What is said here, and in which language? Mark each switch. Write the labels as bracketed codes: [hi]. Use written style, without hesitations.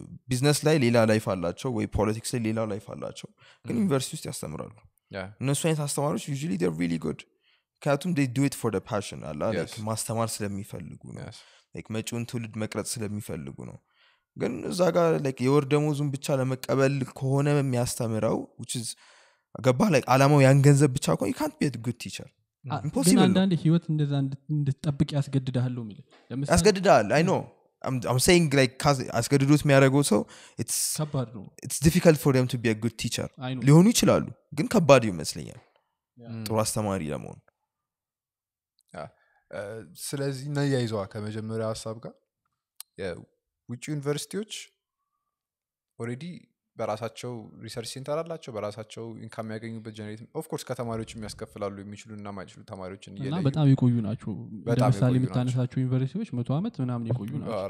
[am] ቢዝነስ ላይ ሌላ ላይፍ አላቸው ወይ ፖለቲክስ ላይ ሌላ ላይፍ አላቸው ግን ዩኒቨርሲቲ ውስጥ ያስተምራሉ። እነሱ አይነት አስተማሪዎች [en] usually they're really good [am] ካቱም [en] they do it for the passion [am] አላ ላይክ ማስተማር ስለሚፈልጉ ነው ላይክ መጪውን ትውልድ መቅረጽ ስለሚፈልጉ ነው። ግን እዛ ጋር ላይክ የወር ደሞዙን ብቻ ለመቀበል ከሆነ የሚያስተምረው which is ገባህ ላይክ አላማው ያን ገንዘብ ብቻ ቆይ [en] can't be a good teacher impossible [am] እና እንደ ህይወት እንደዛ እንድትጠብቅ ያስገድዳሉ ማለት ለምሳሌ ያስገድዳል አይ ኖ [en] I'm saying like cause [am] አስገድዶት የሚያደርገው ሰው it's ከባድ ነው [en] it's difficult for them to be a good teacher [am] ሊሆኑ ይችላሉ ግን ከባድ ይመስለኛል ጥሩ አስተማሪ ለመሆን። ስለዚህ ነው ያይዘው ከመጀመሪያው ሐሳብ ጋር የውጭ ዩኒቨርሲቲዎች ኦሬዲ በራሳቸው ሪሰርች ሴንተር አላቸው በራሳቸው ኢንካም ያገኙበት ጀነሬት ኦፍ ኮርስ ከተማሪዎች የሚያስከፍላሉ የሚችሉና ማይችሉ ተማሪዎችን እየለዩ እና በጣም ይቆዩ ናቸው። ለምሳሌ የምታነሳቸው ዩኒቨርሲቲዎች 100 አመት ምናምን ይቆዩ ናቸው።